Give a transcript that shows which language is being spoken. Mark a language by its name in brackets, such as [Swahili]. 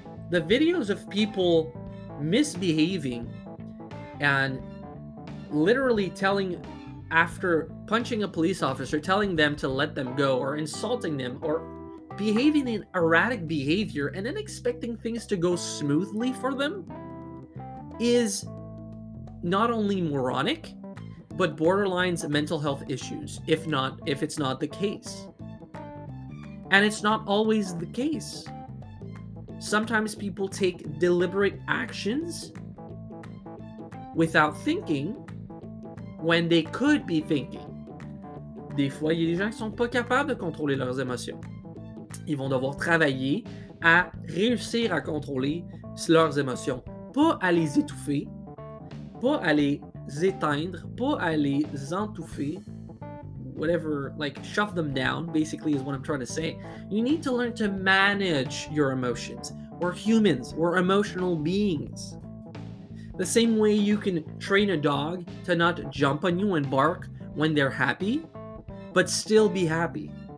[English] The videos of people misbehaving and literally telling, after punching a police officer, telling them to let them go or insulting them or behaving in erratic behavior and then expecting things to go smoothly for them is not only moronic, but borderlines mental health issues, if it's not the case. And it's not always the case. sometimes people take deliberate actions without thinking when they could be thinking. [French] Des fois, il y a des gens qui sont pas capables de contrôler leurs émotions. Ils vont devoir travailler à réussir à contrôler leurs émotions. Pas à les étouffer, pas à les éteindre, pas à les entouffer. [English] Whatever, like, shove them down, basically, is what I'm trying to say. You need to learn to manage your emotions. We're humans. We're emotional beings. The same way you can train a dog to not jump on you and bark when they're happy, but still be happy.